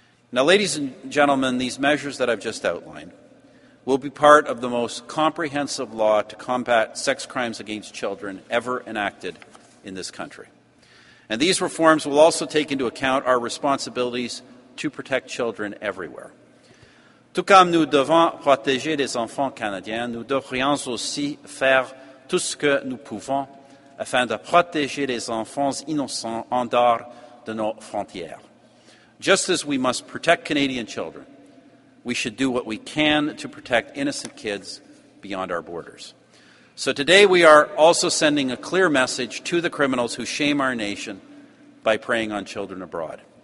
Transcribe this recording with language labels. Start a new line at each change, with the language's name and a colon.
English: Now, ladies and gentlemen, these measures that I've just outlined will be part of the most comprehensive law to combat sex crimes against children ever enacted in this country. And these reforms will also take into account our responsibilities to protect children everywhere.
French: Tout comme nous devons protéger les enfants canadiens, nous devrions aussi faire tout ce que nous pouvons afin de protéger les enfants innocents en dehors de nos frontières.
English: Just as we must protect Canadian children, we should do what we can to protect innocent kids beyond our borders. So today we are also sending a clear message to the criminals who shame our nation by preying on children abroad.